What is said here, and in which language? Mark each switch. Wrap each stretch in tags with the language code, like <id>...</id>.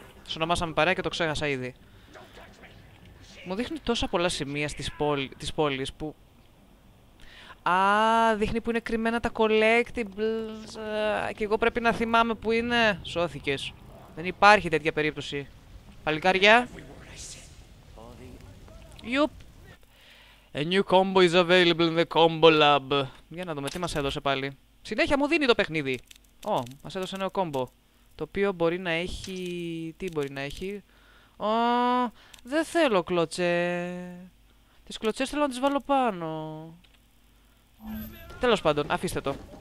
<el>Τους ονομάσαμε παρέα και το ξέχασα ήδη. Μου δείχνει τόσα πολλά σημεία στις πόλεις που... Α, δείχνει που είναι κρυμμένα τα collectibles. Και εγώ πρέπει να θυμάμαι που είναι. Σώθηκες. Δεν υπάρχει τέτοια περίπτωση. Παλικάρια. Ιουπ.</el> <en>A new combo is available in the combo lab.</en> <el>Για να δούμε τι μας έδωσε πάλι. Συνέχεια μου δίνει το παιχνίδι. Ω, μας έδωσε ένα combo. Το οποίο μπορεί να έχει... Τι μπορεί να έχει? Ω, δεν θέλω κλωτσέ. Τις κλωτσές θέλω να τις βάλω πάνω. Τέλος πάντων, αφήστε το.</el>